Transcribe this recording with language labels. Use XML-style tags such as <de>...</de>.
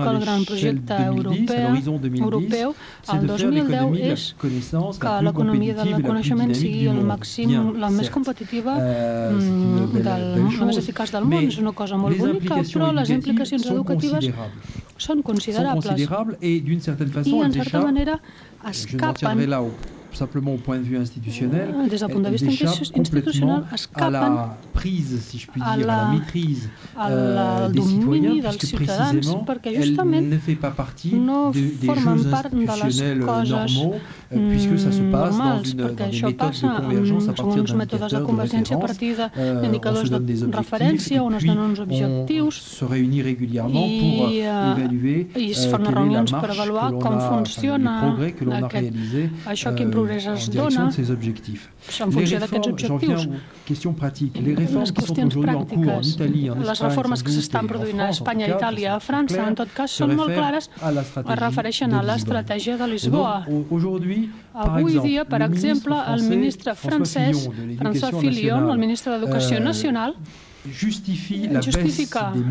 <ca>diu que el gran projecte europeu al 2010 és que l'economia del coneixement sigui el màxim, la més competitiva, la més eficaç del món. És una cosa molt bonica, però les implicacions educatives són considerables i, en certa manera, escapen</ca> <fr>simplement au point de vue institutionnel,</fr> <ca>des del punt de vista institucional, escapen</ca> <fr>a la prise, si je puis dire,</fr> <ca>a la</ca> <fr>maîtrise des citoyens,</fr> <ca>dels ciutadans, perquè justament</ca> <fr>ne fait pas partie no des jeux institutionnels normaux, puisque ça se passe</fr> <ca>normals,</ca> <fr>dans une méthode de convergence à partir</fr> <ca>d'un mètode de convergència a partir d'indicadors de referència, on es donen uns objectius,</ca> <fr>on se réunit régulièrement pour évaluer</fr> <ca>i es fan reunions per avaluar com funciona quin progrés es dona en funció d'aquests objectius.</ca> <fr>Question pratique. Les réformes qui sont aujourd'hui en cours en Italie, en</fr> <ca>les reformes que s'estan produint a Espanya, a Itàlia, a França, en tot cas, són molt clares, es refereixen a l'estratègia de Lisboa. Avui dia, per exemple, el ministre francès, François Fillon, el ministre d'Educació Nacional, justifica</ca>